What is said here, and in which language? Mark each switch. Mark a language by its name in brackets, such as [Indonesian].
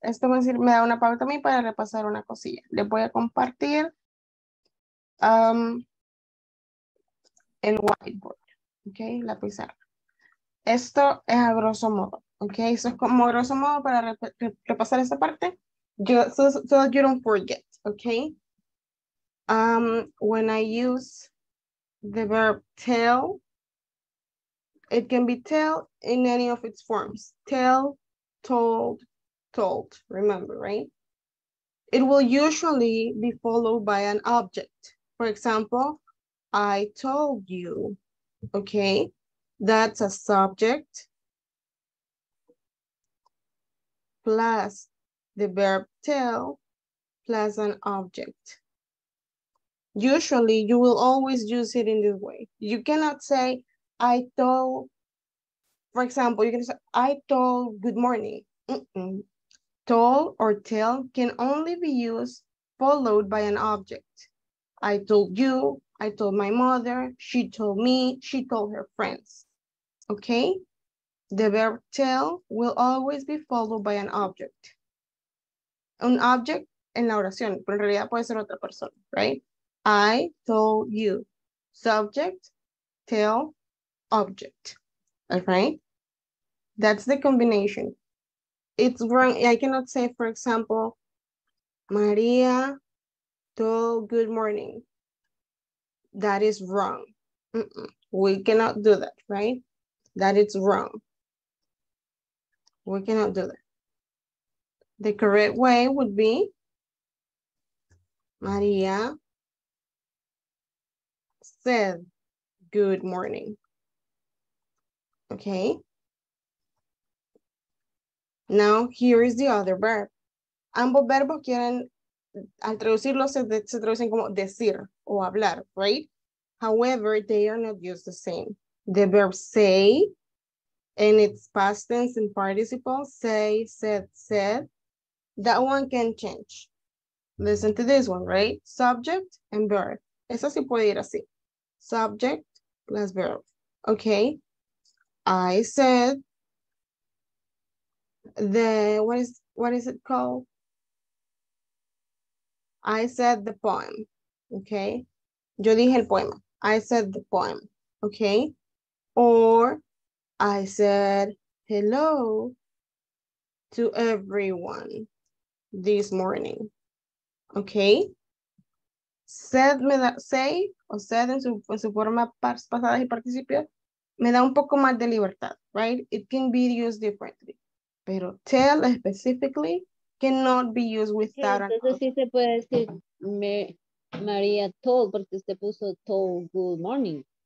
[Spanish] Esto va a decir, me da una pauta a mí para repasar una cosilla. Les voy a compartir. El whiteboard, ok, la pizarra. Esto es a grosso modo, ok, eso es como grosso modo para repasar esta parte. [English] So that you don't forget, ok. When I use the verb tell, it can be tell in any of its forms. Tell, told, told, remember, right? It will usually be followed by an object. For example, I told you, okay? That's a subject plus the verb tell plus an object. Usually, you will always use it in this way. You cannot say, I told, for example, you can say, I told good morning. Mm-mm. Told or tell can only be used followed by an object. I told you, I told my mother, she told me, she told her friends, okay? The verb tell will always be followed by an object. An object [Spanish] en la oración, pero en realidad puede ser otra persona, right? [English] I told you, subject, tell, object, all right? That's the combination. It's wrong, I cannot say, for example, Maria, good morning. That is wrong. Mm-mm. We cannot do that, right? That is wrong. We cannot do that. The correct way would be Maria said good morning. Okay. Now, here is the other verb. [Spanish] Ambos verbos quieren, al traducirlo, se traducen como decir o hablar, right? [English] However, they are not used the same. The verb say, and its past tense and participle, say, said, said, that one can change. Listen to this one, right? Subject and verb. [Spanish] Eso sí puede ir así. [English] Subject plus verb. Okay. I said the, what is it called? I said the poem. Okay. [Spanish] Yo dije el poema. [English] I said the poem. Okay. Or I said hello to everyone this morning. Okay. [Spanish] Said me da, say o said en su forma pasada y participio me da un poco más de libertad, right? [English] It can be used differently. Pero tell specifically cannot be used without. [Spanish] Sí, eso sí se puede decir me, María told porque usted puso [English] told good morning.